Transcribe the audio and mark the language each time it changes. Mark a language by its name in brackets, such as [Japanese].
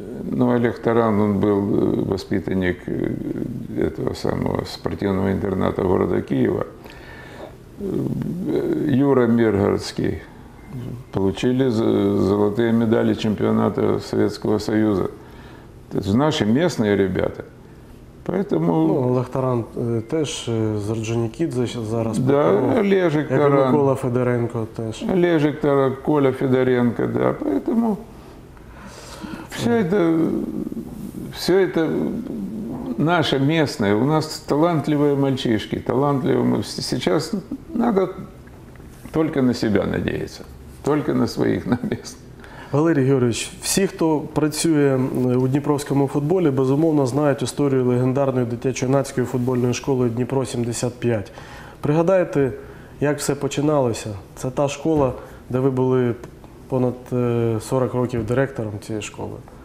[Russian] Ну, Олег Таран, он был воспитанник этого самого спортивного интерната города Киева. Юра Миргородский. Получили золотые медали чемпионата Советского Союза. Это наши местные ребята. Поэтому... [Ukrainian] Ну, Олег Таран теж з Орджонікідзе зараз. [Russian] Да, Олежик Таран. [Ukrainian] Микола Федоренко теж. [Russian] Олежик Таран, Коля Федоренко, да. Поэтому все это наше местное, у нас талантливые мальчишки, талантливые. Сейчас надо только на себя надеяться, только на своих, на местных. [Ukrainian] Валерий Георгиевич, всі, хто працює у дніпровському футболі, безумовно знають історію легендарної дитячо-юнацької футбольної школи Дніпро 75. Пригадайте, як все починалося? Це та школа, де ви були понад 40 років директором цієї школи.